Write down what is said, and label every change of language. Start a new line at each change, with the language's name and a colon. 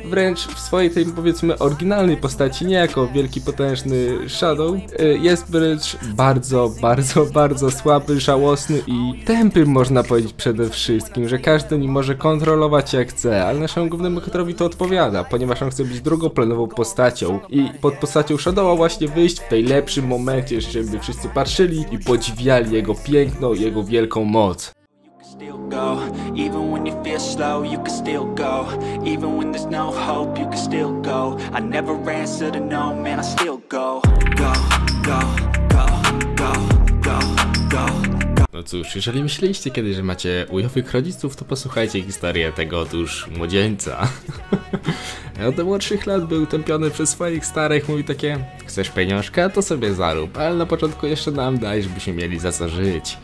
Polish: Wręcz w swojej tej, powiedzmy, oryginalnej postaci, nie jako wielki, potężny Shadow, jest wręcz bardzo, bardzo, bardzo słaby, żałosny i tępy, można powiedzieć, przede wszystkim, że każdy nim może kontrolować jak chce, ale naszemu głównemu bohaterowi to odpowiada, ponieważ on chce być drugoplanową postacią i pod postacią Shadowa właśnie wyjść w tej lepszym momencie, żeby wszyscy patrzyli i podziwiali jego piękną, jego wielką moc.
English: Still go, even when you feel slow, you can still go. Even when there's no hope, you can still go. I never answer to no, man, I still go. Go, go, go, go, go, go.
Polish: No cóż, jeżeli myśleliście kiedyś, że macie ujowych rodziców, to posłuchajcie historię tego otóż młodzieńca. Od młodszych lat był tępiony przez swoich starych, mówi takie: chcesz pieniążka, to sobie zarób, ale na początku jeszcze nam daj, żebyśmy mieli za co żyć.